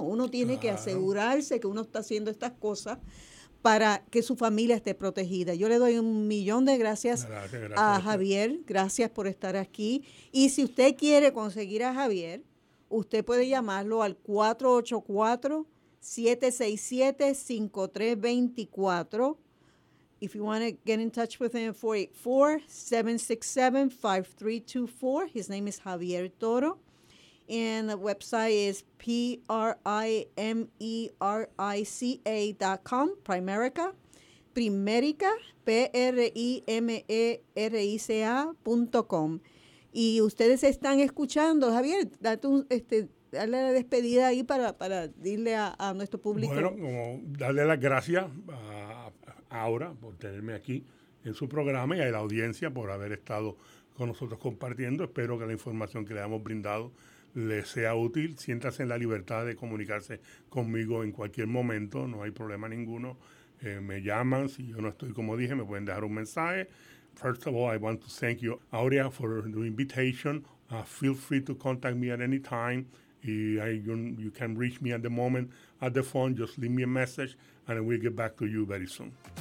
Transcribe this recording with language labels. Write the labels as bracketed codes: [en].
[es] Uno tiene que asegurarse que uno está haciendo estas cosas para que su familia esté protegida. Yo le doy un millón de gracias a Javier. Gracias por estar aquí. Y si usted quiere conseguir a Javier, usted puede llamarlo al 484-767-5324. [en] If you want to get in touch with him, 484-767-5324. His name is Javier Toro. And the website is PRIMERICA.com, Primerica, Primerica, PRIMERICA.com. [es] Y ustedes están escuchando, Javier, dale la despedida ahí para decirle a nuestro público. Bueno, como darle las gracias a Aura por tenerme aquí en su programa y a la audiencia por haber estado con nosotros compartiendo. Espero que la información que le hemos brindado le sea útil. Siéntase en la libertad de comunicarse conmigo en cualquier momento, no hay problema ninguno. Me llaman, si yo no estoy, como dije, me pueden dejar un mensaje. [en] First of all, I want to thank you, Aurea, for the invitation. Feel free to contact me at any time. You can reach me at the moment at the phone. Just leave me a message and we'll get back to you very soon.